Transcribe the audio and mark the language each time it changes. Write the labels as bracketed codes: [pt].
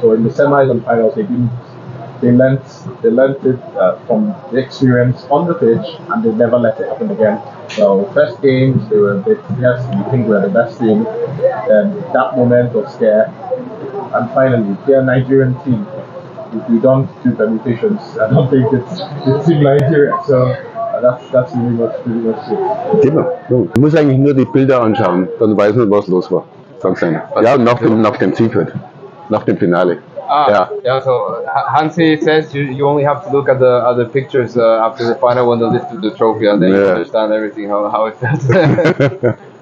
[en] So in the semis and finals, they learnt it from the experience on the pitch, and they never let it happen again. So first games, they were a bit, yes, we think we're the best team. Then that moment of scare. And finally, they're a Nigerian team. If you don't do permutations, I don't think it's in Nigeria. So that's pretty much it. [de] Dima, du musst eigentlich nur die Bilder anschauen, dann weiß man, was los war. Sag's dann. Ja, nach dem Secret. Nach dem Finale. [en] Yeah, so Hansi says you only have to look at the pictures after the final when they lifted the trophy, and then you understand everything, how it felt.